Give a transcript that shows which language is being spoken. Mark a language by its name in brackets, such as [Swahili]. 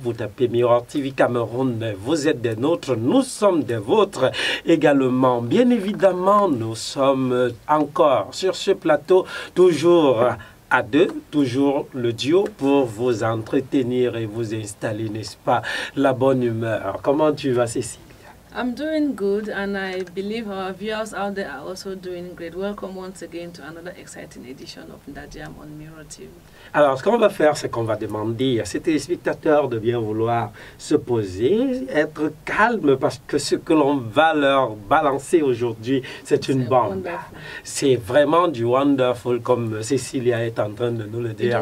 [French] Vous tapez Mirror TV Cameroun, vous êtes des nôtres, nous sommes des vôtres également. Bien évidemment, nous sommes encore sur ce plateau, toujours à deux, toujours le duo pour vous entretenir et vous installer, n'est-ce pas, la bonne humeur. Comment tu vas, Cécilia? [English] I'm doing good and I believe our viewers out there are also doing great. Welcome once again to another exciting edition of Ndadiam on Mirror TV. [French] Alors, ce qu'on va faire, c'est qu'on va demander à ces téléspectateurs de bien vouloir se poser, être calme, parce que ce que l'on va leur balancer aujourd'hui, c'est une bombe. C'est vraiment du wonderful, comme Cécilia est en train de nous le dire.